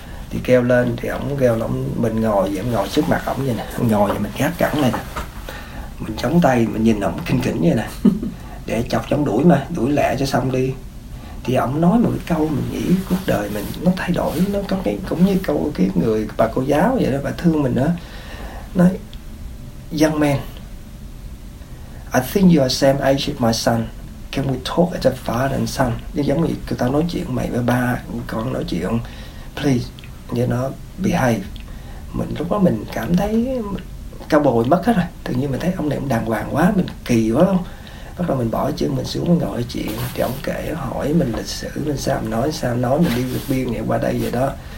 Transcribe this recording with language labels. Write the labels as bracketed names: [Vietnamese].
[Vietnamese] Thì kêu lên, thì ổng kêu là mình ngồi vậy, ngồi trước mặt ổng vậy nè. Ngồi vậy mình gác cẳng này nè. Mình chống tay, mình nhìn ổng kinh kỉnh vậy nè. Để chọc chống đuổi mà, đuổi lẹ cho xong đi. Thì ổng nói một cái câu mình nghĩ cuộc đời mình nó thay đổi. Nó có cái, cũng như câu cái người bà cô giáo vậy đó, bà thương mình đó. Nói, [English] young man, I think you are same age as my son. Can we talk as a father and son? [Vietnamese] Giống như người ta nói chuyện mày với ba, con nói chuyện, please. Như nó behave. Mình lúc đó mình cảm thấy cao bồi mất hết rồi. Tự nhiên mình thấy ông này cũng đàng hoàng quá, mình kỳ quá không. Bắt đầu mình bỏ chân mình xuống mình ngồi chuyện. Thì ông kể hỏi mình lịch sử, mình sao mình nói, sao nói mình đi vượt biên này qua đây vậy đó.